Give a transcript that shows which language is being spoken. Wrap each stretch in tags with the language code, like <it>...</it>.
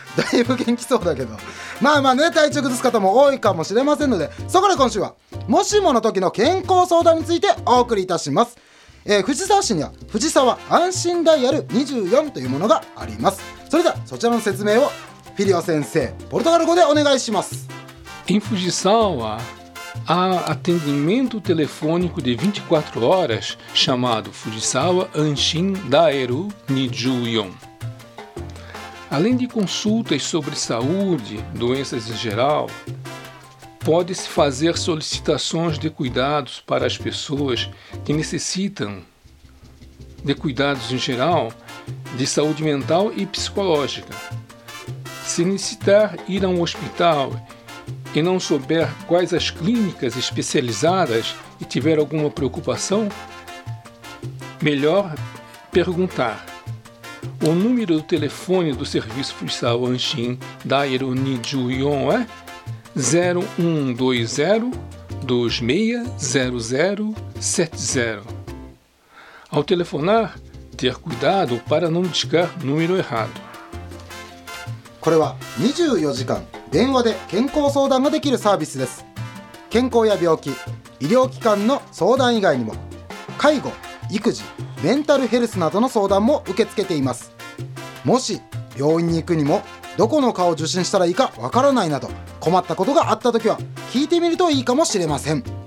<ja>だいぶ元気そうだけど、まあまあね、体調崩す方も多いかもしれませんので、そこで今週はもしもの時の健康相談についてお送りいたします。藤沢市には藤沢安心ダイヤル24というものがあります。それではそちらの説明をフィリオ先生ポルトガル語でお願いします。</ja> <pt>Em Fujisawa, há atendimento telefônico de 24 horas chamado Fujisawa Anshin Daeru Nijuyon. Além de consultas sobre saúde, doenças em geral, pode-se fazer solicitações de cuidados para as pessoas que necessitam de cuidados em geral de saúde mental e psicológica. Se necessitar ir a um hospital e não souber quais as clínicas especializadas e tiver alguma preocupação, melhor perguntar. O número do telefone do Serviço Fujisawa Anshin Daeru Nijuyon é 0120-260070. Ao telefonar, ter cuidado para não discar número errado.</pt> <ja>これは24時間電話で健康相談ができるサービスです。健康や病気、医療機関の相談以外にも介護、育児、メンタルヘルスなどの相談も受け付けています。もし病院に行くにもどこの科を受診したらいいかわからないなど困ったことがあったときは聞いてみるといいかもしれません。</ja>